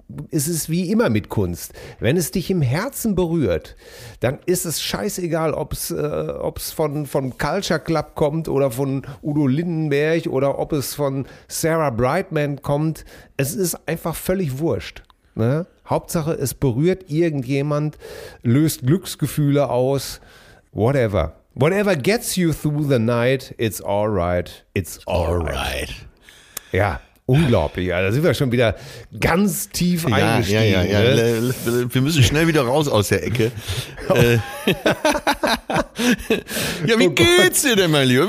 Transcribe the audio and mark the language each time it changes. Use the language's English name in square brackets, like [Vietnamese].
[German] Es ist wie immer mit Kunst. Wenn es dich im Herzen berührt, dann ist es scheißegal, ob es von Culture Club kommt oder von Udo Lindenberg oder ob es von Sarah Brightman kommt. Es ist einfach völlig wurscht. Ne? Hauptsache, es berührt irgendjemand, löst Glücksgefühle aus, whatever. [English] Whatever gets you through the night, it's all right. It's all right. Ja. [German] Unglaublich, da sind wir schon wieder ganz tief eingestiegen. Ja. Wir müssen schnell wieder raus aus der Ecke. Ja, wie geht's dir denn, mein Lieber?